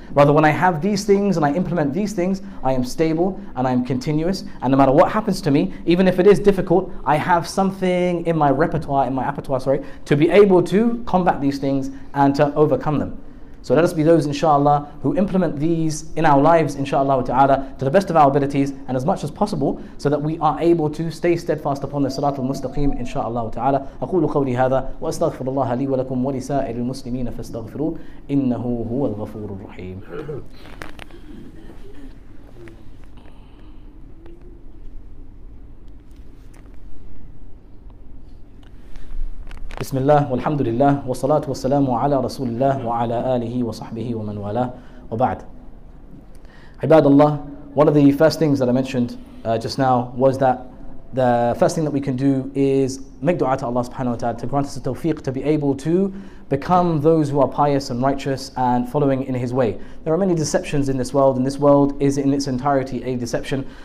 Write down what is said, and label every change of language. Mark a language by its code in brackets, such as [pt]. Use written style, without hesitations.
[en] Rather, when I have these things and I implement these things, I am stable and I am continuous, and no matter what happens to me, even if it is difficult, I have something in my repertoire, to be able to combat these things and to overcome them. So let us be those, inshallah, who implement these in our lives, inshallah wa ta'ala, to the best of our abilities and as much as possible, so that we are able to stay steadfast upon the Salat al-Mustaqim, inshallah wa ta'ala. [ar] أقول قولي هذا وأستغفر الله لي ولكم ولسائر المسلمين فاستغفروا إنه هو الغفور الرحيم. بسم الله والحمد لله والصلاة والسلام على رسول الله وعلى آله وصحبه ومن والاه وبعد. [en] عباد الله, one of the first things that I mentioned just now was that the first thing that we can do is make dua to Allah subhanahu wa ta'ala to grant us the tawfiq to be able to become those who are pious and righteous and following in His way. There are many deceptions in this world, and this world is in its entirety a deception.